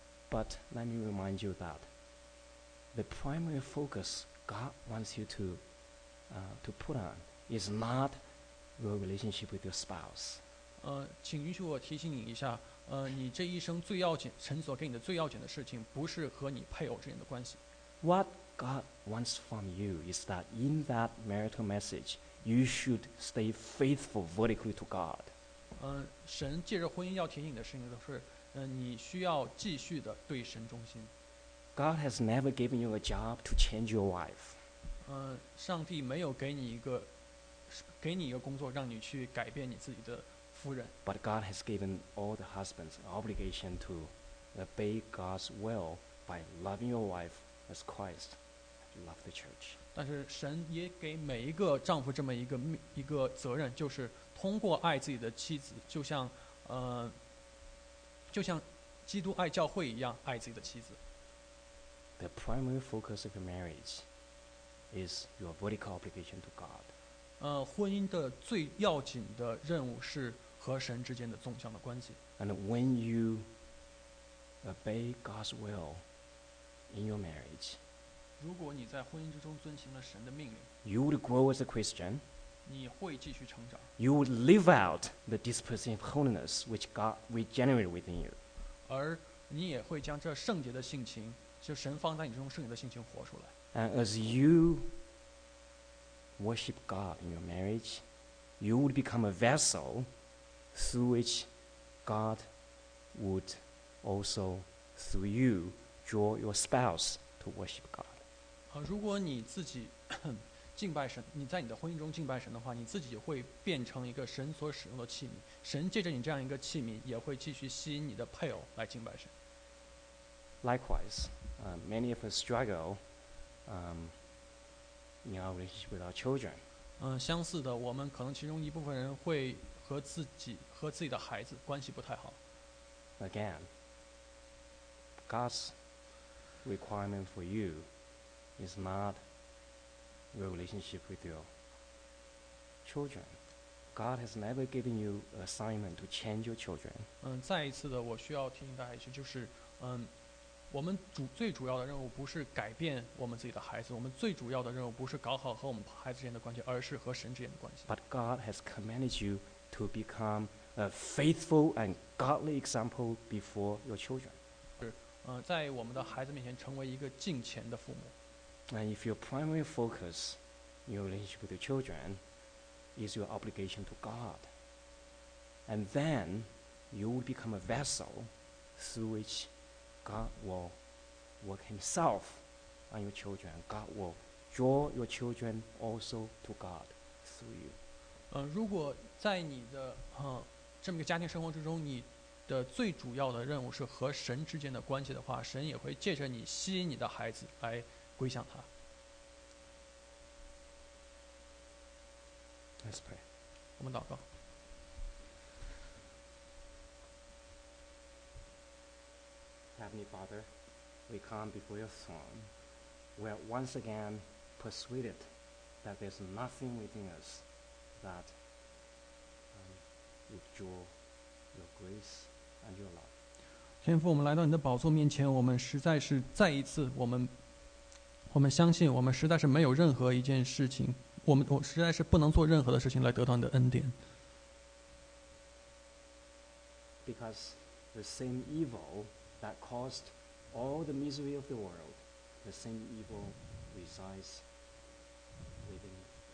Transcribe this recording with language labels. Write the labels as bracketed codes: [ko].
[en] But let me remind you that the primary focus God wants you to put on is not your relationship with your spouse. [zh] 请允许我提醒你一下，你这一生最要紧，神所给你的最要紧的事情，不是和你配偶之间的关系。 [en] What God wants from you is that in that marital message, you should stay faithful vertically to God. [zh] 神借着婚姻要提醒的事情就是，你需要继续的对神忠心。 [en] God has never given you a job to change your wife. [zh] 上帝没有给你一个工作让你去改变你自己的夫人。 [en] But God has given all the husbands an obligation to obey God's will by loving your wife as Christ loved the church. [zh] 但是神也给每一个丈夫这么一个责任，就是。通过爱自己的妻子，就像基督爱教会一样爱自己的妻子。 [en] The primary focus of your marriage is your vertical obligation to God. [zh] 婚姻的最要紧的任务是和神之间的纵向的关系。 [en] And when you obey God's will in your marriage, [zh] 如果你在婚姻之中遵行了神的命令 [en] ，you would grow as a Christian. [zh] 你会继续成长。 [en] You would live out the disposition of holiness which God regenerated within you. [zh] 而你也会将这圣洁的性情，就神放在你中圣洁的性情活出来。 [en] And as you worship God in your marriage, you would become a vessel through which God would also, through you, draw your spouse to worship God. [zh] 如果你自己敬拜神，你在你的婚姻中敬拜神的话，你自己会变成一个神所使用的器皿。神借着你这样一个器皿，也会继续吸引你的配偶来敬拜神。 [en] Likewise, many of us struggle, in our relationship with our children. [zh] 相似的，我们可能其中一部分人会和自己的孩子关系不太好。 [en] Again, God's requirement for you is not. Your relationship with your children. God has never given you assignment to change your children. [zh] 再一次的，我需要提醒大家一句，就是，我们最主要的任务不是改变我们自己的孩子，我们最主要的任务不是搞好和我们孩子之间的关系，而是和神之间的关系。 [en] But God has commanded you to become a faithful and godly example before your children. [zh] 在我们的孩子面前成为一个敬虔的父母。 [en] And if your primary focus in your relationship with your children is your obligation to God, and then you will become a vessel through which God will work himself on your children. God will draw your children also to God through you. [zh] 如果在你的这么一个家庭生活之中，你的最主要的任务是和神之间的关系的话，神也会借着你吸引你的孩子来归向他。 [en] Let's pray. [zh] 我们祷告。 [en] Heavenly Father, we come before your throne. We are once again persuaded that there's nothing within us that withdraw your grace and your love. [zh] 天父，我们来到你的宝座面前，我们实在是再一次，我们相信，我们实在是没有任何一件事情，我实在是不能做任何的事情来得到你的恩典。 [en] Because the same evil that caused all the misery of the world, the same evil resides within you.